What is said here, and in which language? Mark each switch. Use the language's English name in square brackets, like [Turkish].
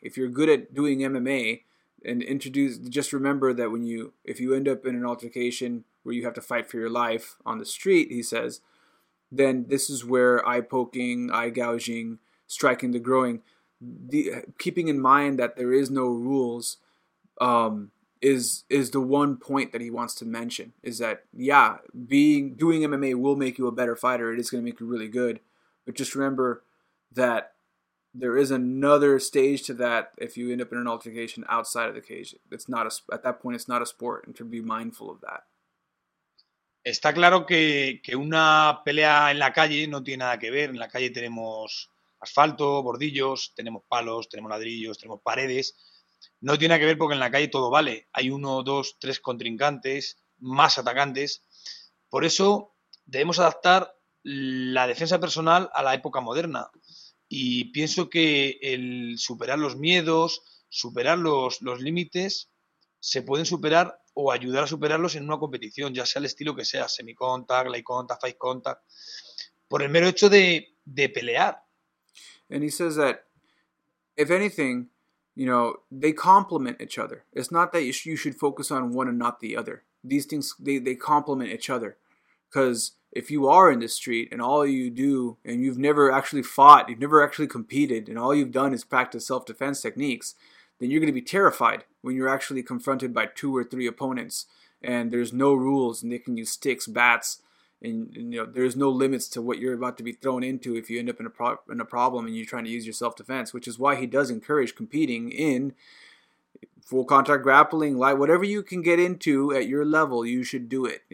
[English] If you're good at doing MMA. And just remember that if you end up in an altercation where you have to fight for your life on the street, he says, then this is where eye poking, eye gouging, striking the groin, keeping in mind that there is no rules, is the one point that he wants to mention, is that, yeah, doing MMA will make you a better fighter. It is going to make you really good. But just remember that there is another stage to that if you end up in an altercation outside of the cage. It's not at that point, it's not a sport, and to be mindful of that. [Spanish] Está claro que una pelea en la calle no tiene nada que ver. En la calle tenemos asfalto, bordillos, tenemos palos, tenemos ladrillos, tenemos paredes. No tiene nada que ver porque en la calle todo vale. Hay uno, dos, tres contrincantes, más atacantes. Por eso debemos adaptar la defensa personal a la época moderna. Y pienso que el superar los miedos, superar los límites, se pueden superar o ayudar a superarlos en una competición, ya sea el estilo que sea, semi-contact, light contact, fight contact, por el mero hecho de pelear. [English] And he says that, if anything, you know, they complement each other. It's not that you should focus on one and not the other. These things, they complement each other. Because if you are in the street and all you do, and you've never actually fought, you've never actually competed, and all you've done is practice self-defense techniques, then you're going to be terrified when you're actually confronted by two or three opponents, and there's no rules, and they can use sticks, bats, and you know, there's no limits to what you're about to be thrown into if you end up in a problem and you're trying to use your self-defense, which is why he does encourage competing in full contact grappling, light, whatever you can get into at your level, you should do it.